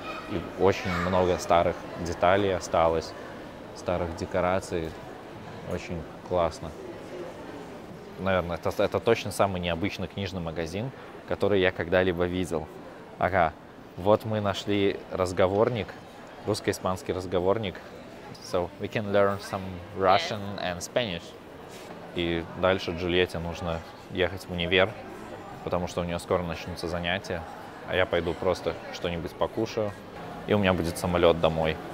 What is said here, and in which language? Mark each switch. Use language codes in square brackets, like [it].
[ru] И очень много старых деталей осталось, старых декораций. Очень классно. Наверное, это точно самый необычный книжный магазин, который я когда-либо видел. Ага, вот мы нашли разговорник, русско-испанский разговорник. [en] So we can learn some Russian and Spanish. [ru] И дальше Джульетте нужно ехать в универ, потому что у нее скоро начнутся занятия. А я пойду просто что-нибудь покушаю, и у меня будет самолет домой.